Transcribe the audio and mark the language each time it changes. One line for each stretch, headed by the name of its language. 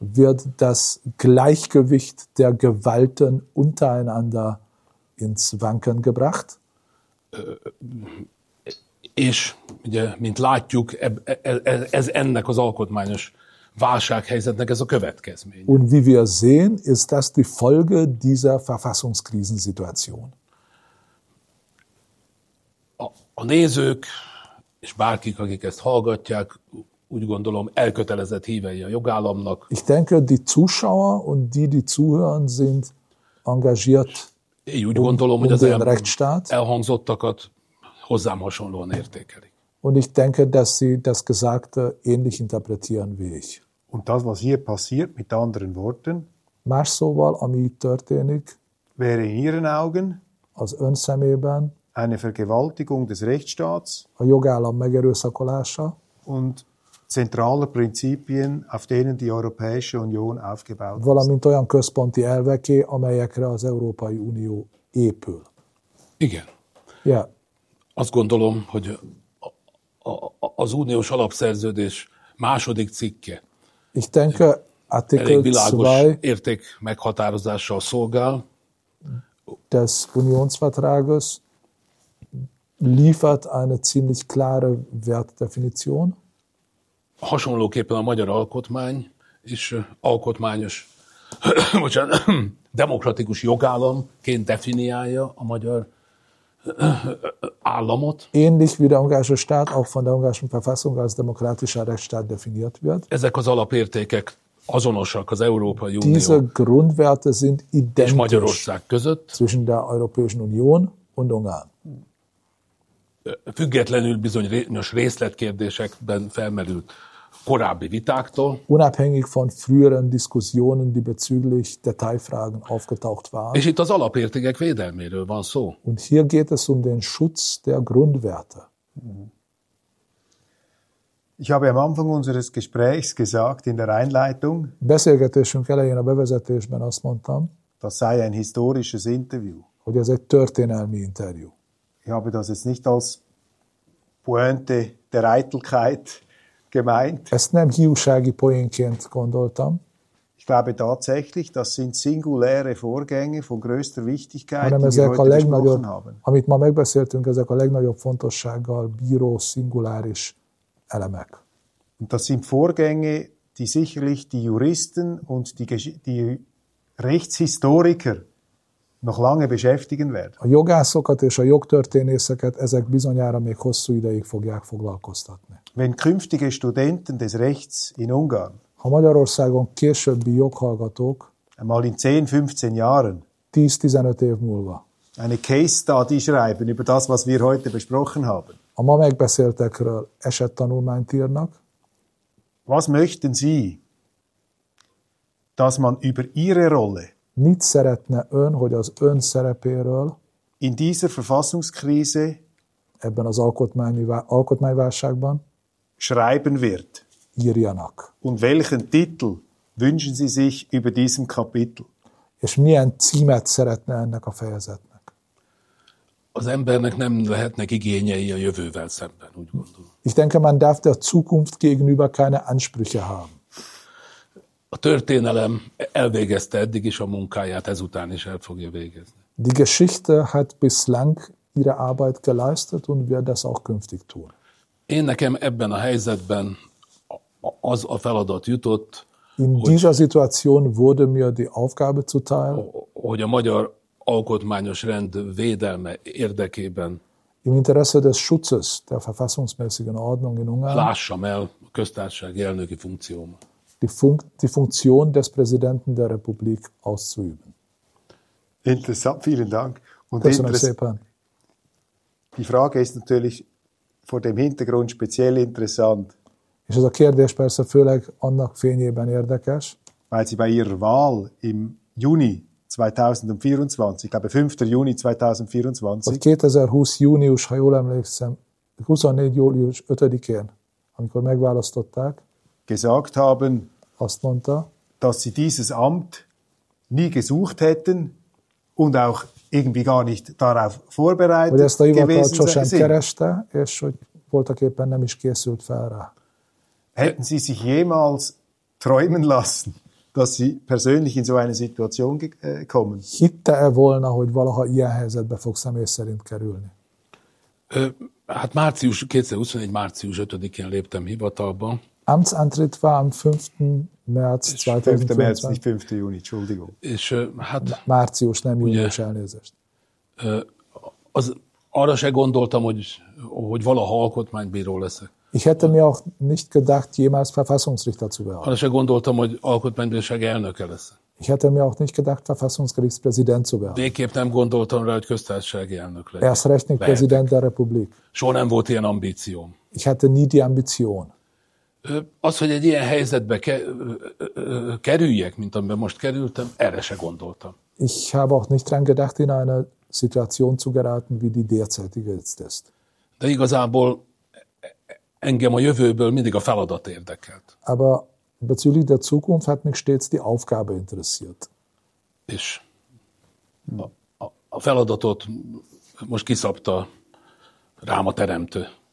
German: Wird das Gleichgewicht der Gewalten untereinander ins Wanken gebracht?
Hungarian: És ugye, mint látjuk, ez ennek az alkotmányos válsághelyzetnek ez a következménye.
German: Und wie wir sehen, ist das die Folge dieser Verfassungskrisensituation.
Hungarian: A nézők és bárkik, akik ezt hallgatják, úgy gondolom, elkötelezett hívei a jogállamnak.
German: Ich denke, die Zuschauer und die zuhören, sind engagiert.
Hungarian: Én úgy gondolom, hogy az Rechtsstaat elhangzottakat hozzám hasonlóan értékelik.
German: Und ich denke, dass sie das Gesagte ähnlich interpretieren wie ich. Und das, was hier passiert, mit anderen Worten,
Hungarian: más szóval, ami itt történik,
German: wäre in ihren Augen,
Hungarian: az ön szemében,
German: eine Vergewaltigung des Rechtsstaats,
Hungarian: a jogállam megerőszakolása,
German: und zentrale Prinzipien, auf denen die Europäische Union aufgebaut ist.
Hungarian: Valamint olyan központi elveké, amelyekre az Európai Unió épül. Igen.
English: Yeah.
Hungarian: Azt gondolom, hogy az uniós alapszerződés második cikke.
German: Ich denke, Artikel 2
Hungarian: érték meghatározással szolgál.
German: Des Unionsvertrages liefert eine ziemlich klare Wertdefinition.
Hungarian: Hasonlóképpen a magyar alkotmány is alkotmányos, bocsánat, demokratikus jogállamként definiálja a magyar államot.
German: Ähnlich wie der ungarische Staat auch von der ungarischen Verfassung als demokratischer Rechtsstaat definiert wird.
Hungarian: Ezek az alapértékek azonosak az Európai Unió.
German: Diese Grundwerte sind identisch.
Hungarian: És Magyarország között.
German: Zwischen der Europäischen Union und Ungarn.
Hungarian: Függetlenül bizonyos részletkérdésekben felmerült korábbi vitáktól.
German: Unabhängig von früheren Diskussionen, die bezüglich Detailfragen aufgetaucht waren.
Hungarian: És itt az alapértékek védelméről van szó.
German: Und hier geht es um den Schutz der Grundwerte. Ich habe am Anfang unseres Gesprächs gesagt, in der Einleitung,
Hungarian: beszélgetésünk elején a bevezetésben azt mondtam,
German: das sei ein historisches Interview.
Hungarian: Hogy ez egy történelmi interjú.
German: Ich habe das jetzt nicht als Pointe der Eitelkeit gemeint.
Hungarian: Ezt nem hiúsági poénként gondoltam.
German: Ich glaube tatsächlich, das sind singuläre Vorgänge von größter Wichtigkeit, die wir heute besprochen haben.
Hungarian: Amit ma megbeszéltünk, ezek a legnagyobb fontossággal bíró szinguláris elemek.
German: Und das sind Vorgänge, die sicherlich die Juristen und die Rechtshistoriker noch lange beschäftigen werden.
Hungarian: A jogászokat és a jogtörténészeket ezek bizonyára még hosszú ideig fogják foglalkoztatni.
German: Wenn künftige Studenten des Rechts in Ungarn,
Hungarian: ha Magyarországon későbbi joghallgatók,
German: einmal in 10-15 Jahren,
Hungarian: 10-15 év múlva,
German: eine Case Study schreiben über das, was wir heute besprochen haben,
Hungarian: a ma megbeszéltekről esettanulmányt írnak,
German: was möchten Sie, dass man über Ihre Rolle,
Hungarian: mit szeretne ön, hogy az ön szerepéről
German: in dieser Verfassungskrise,
Hungarian: ebben az alkotmányválságban
German: schreiben wird,
Hungarian: írjanak.
German: Und welchen Titel wünschen Sie sich über diesem Kapitel?
Hungarian: És milyen címet szeretne ennek a fejezetnek? Az embernek nem lehetnek igényei a jövővel szemben, úgy gondolom.
German: Ich denke, man darf der Zukunft gegenüber keine Ansprüche haben.
Hungarian: A történelem elvégezte eddig is a munkáját, ezután is el fogja végezni.
German: Die Geschichte hat bislang ihre Arbeit geleistet und wird das auch künftig tun.
Hungarian: Én nekem ebben a helyzetben az a feladat jutott,
German: in dieser Situation wurde mir die Aufgabe zuteil,
Hungarian: hogy a magyar alkotmányos rend védelme érdekében
German: im Interesse des Schutzes der verfassungsmäßigen Ordnung in Ungarn
Hungarian: lássam el a köztársasági elnöki funkciómat.
German: Die Funktion des Präsidenten der Republik auszuüben. Interessant, vielen Dank. Und interessant. Die Frage ist natürlich vor dem Hintergrund speziell interessant.
Hungarian: És ez a kérdés persze főleg annak fényében érdekes.
German: Weil Sie bei Ihrer Wahl im Juni 2024, ich glaube 5. Juni 2024,
Hungarian: 2020 június, ha jól emlékszem, 24. július 5-én, amikor megválasztották,
German: gesagt haben,
Hungarian: azt mondta,
German: dass sie dieses Amt nie gesucht hätten und auch irgendwie gar nicht darauf vorbereitet gewesen sind.
Hungarian: Hogy ezt a hivatalt sosem kereste, és hogy voltak éppen nem is készült fel rá.
German: Hätten Sie sich jemals träumen lassen, dass Sie persönlich in so eine Situation kommen?
Hungarian: Hitte-e volna, hogy valaha ilyen helyzetbe fog személy szerint kerülni? Hát március, 2021. március 5-én léptem hivatalba.
German: Amtsantritt war am 5. März 2015. 5. März, nicht 5. Juni, Entschuldigung.
Hungarian: És hát... Március, nem június, elnézést. Az, arra se gondoltam, hogy valaha alkotmánybíró leszek.
German: Ich hätte mir auch nicht gedacht, jemals Verfassungsrichter zu werden.
Hungarian: Arra se gondoltam, hogy alkotmánybíróság elnöke leszek.
German: Ich hätte mir auch nicht gedacht, Verfassungsgerichtspräsident zu werden.
Hungarian: Végképp nem gondoltam rá, hogy köztársasági elnök legyen.
German: Erst recht nicht Präsident der Republik.
Hungarian: Soha nem volt ilyen ambícióm.
German: Ich hatte nie die Ambition.
Hungarian: Az, hogy egy ilyen helyzetbe kerüljek, mint amiben most kerültem, erre se gondoltam.
German: Ich habe auch nicht dran gedacht, in eine Situation zu geraten, wie die derzeitige jetzt ist.
Hungarian: De igazából engem a jövőből mindig a feladat érdekelt.
German: Aber bezüglich der Zukunft hat mich stets die Aufgabe interessiert.
Hungarian: És a feladatot most kiszabta rám a teremtő.